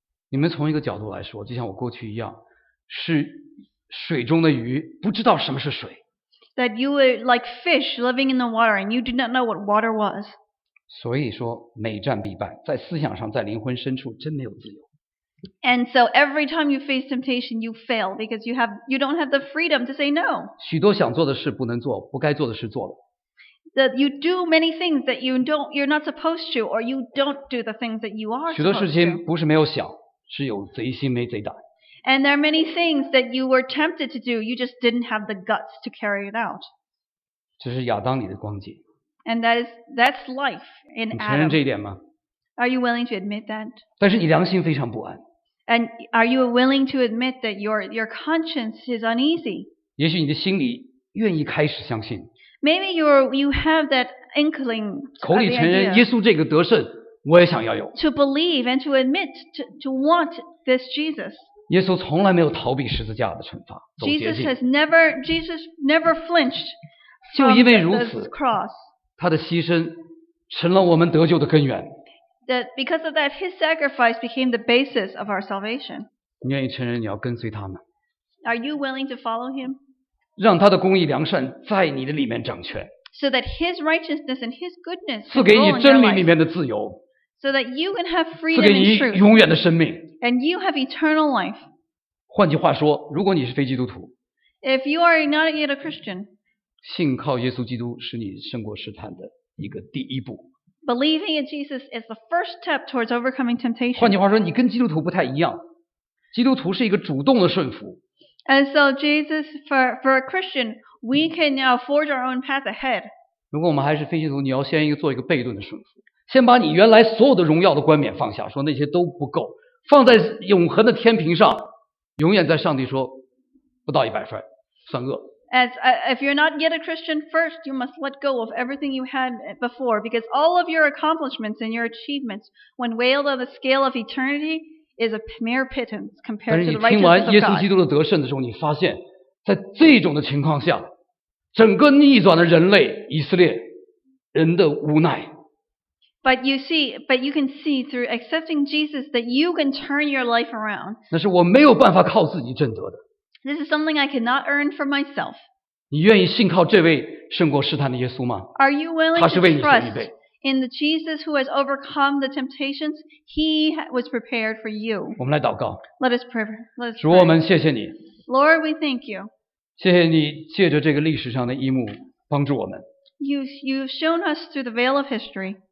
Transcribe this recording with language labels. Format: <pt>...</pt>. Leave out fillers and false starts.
<zh>你们从一个角度来说，就像我过去一样，是水中的鱼，不知道什么是水。</zh> <en>That you were like fish living in the water and you did not know what water was.</en> <zh>所以说每战必败，在思想上，在灵魂深处真没有自由。</zh> <en>And so every time you face temptation, you fail because you don't have the freedom to say no.</en> <zh>许多想做的事不能做，不该做的事做了。</zh> <en>That you do many things that you're not supposed to, or you don't do the things that you are supposed to.</en> <zh>许多事情不是没有想，是有贼心没贼胆。</zh> <en>And there are many things that you were tempted to do, you just didn't have the guts to carry it out.</en> <zh>这是亚当里的光景。</zh> <en>And that's life in Adam.</en> <zh>你承认这一点吗？</zh> <en>Are you willing to admit that?</en> <zh>但是你良心非常不安。</zh> <en>And are you willing to admit that your conscience is uneasy?</en> <zh>也许你的心里愿意开始相信。</zh> <en>Maybe you have that inkling.</en> <zh>口里承认耶稣这个得胜，我也想要有。</zh> <en>To believe and to admit to want this Jesus.</en> <zh>耶稣从来没有逃避十字架的惩罚。</zh> <en>Jesus never flinched.</en> <zh>就因为如此，他的牺牲成了我们得救的根源。</zh> <en>That because of that, his sacrifice became the basis of our salvation.</en> <zh>你愿意承认你要跟随他吗？</zh> <en>Are you willing to follow him?</en> <zh>让他的公义良善在你的里面掌权。</zh> <en>So that his righteousness and his goodness can rule in your life.</en> <zh>赐给你真理里面的自由。</zh> <en>So that you can have freedom and truth.</en> <zh>赐给你永远的生命。</zh> <en>And you have eternal life.</en> <zh>换句话说，如果你是非基督徒，</zh> <en>If you are not yet a Christian,</en> <zh>信靠耶稣基督是你胜过试探的一个第一步。</zh> <en>Believing in Jesus is the first step towards overcoming temptation.</en> <zh>换句话说，你跟基督徒不太一样，基督徒是一个主动的顺服。</zh> <en>And so Jesus, for a Christian, we can now forge our own path ahead.</en> <zh>如果我们还是非基督徒，你要先做一个被动的顺服，先把你原来所有的荣耀的冠冕放下，说那些都不够。放在永恒的天平上，永远在上帝说不到一百分，算恶。</zh> <en>As if you're not yet a Christian, first you must let go of everything you had before, because all of your accomplishments and your achievements, when weighed on the scale of eternity, is a mere pittance compared to the righteousness of God.</en> <zh>但是你听完耶稣基督的得胜的时候，你发现，在这种的情况下，整个逆转的人类以色列人的无奈。</zh> <en>But you see, but you can see through accepting Jesus that you can turn your life around.</en> <zh>那是我没有办法靠自己挣得的。</zh> <en>This is something I cannot earn for myself.</en> <zh>你愿意信靠这位胜过试探的耶稣吗？</zh> <en>Are you willing to trust in the Jesus who has overcome the temptations? He was prepared for you.</en> <zh>我们来祷告。</zh> <en>Let us pray. Let us pray.</en> <zh>主，我们谢谢你。</zh> <en>Lord, we thank you.</en> <zh>谢谢你借着这个历史上的一幕帮助我们。</zh> <en>You've shown us through the veil of history.</en>